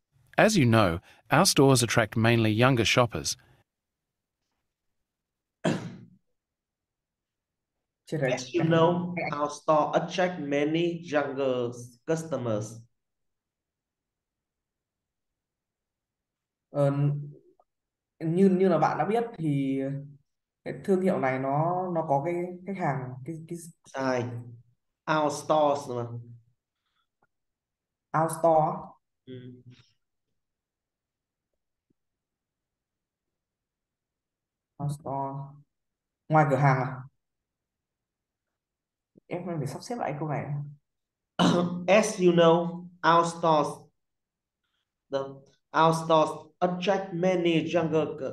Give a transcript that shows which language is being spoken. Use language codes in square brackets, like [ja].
[en] As you know, our stores attract mainly younger shoppers. [vi] Chết rồi. [en] As you know, our store attract many younger customers. [vi] Như như là bạn đã biết thì cái thương hiệu này nó có cái khách hàng cái Sai. [en] Our stores [vi] mà. [en] Outdoor. [vi] Outdoor. Ngoài cửa hàng à? Em phải sắp xếp lại câu này. [en] As you know, our stores attract many younger